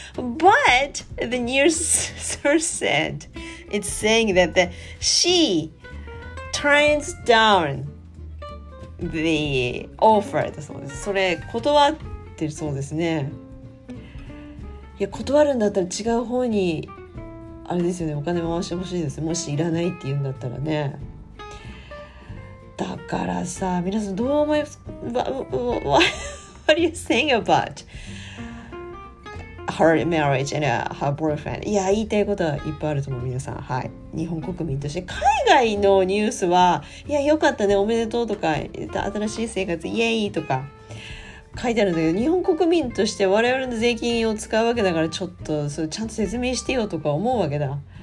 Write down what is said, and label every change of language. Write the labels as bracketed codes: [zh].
[en] But the news source said it's saying that the, she turns down the offer [ja] だそうです。それ断ってるそうですね。いや断るんだったら違う方にあれですよね、お金回してほしいです、もしいらないって言うんだったらね。だからさ、皆さんどう思います？ [en] What are you saying about her marriage and her boyfriend? [ja] いや、言いたいことはいっぱいあると思う、皆さん。はい。日本国民として。海外のニュースは、いや、よかったね、おめでとうとか、新しい生活、イエーイとか書いてあるんだけど、日本国民として我々の税金を使うわけだから、ちょっとそれちゃんと説明してよとか思うわけだ。